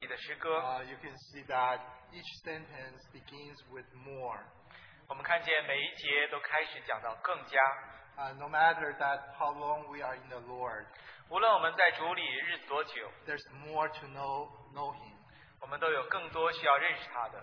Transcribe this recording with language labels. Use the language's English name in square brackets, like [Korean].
[English] You can see that each sentence begins with more. [Chinese] 我们看见每一节都开始讲到更加, [English] no matter that how long we are in the Lord, [Chinese] 无论我们在主里日子多久, [English] there's more to know Him. [Chinese] 我们都有更多需要认识他的,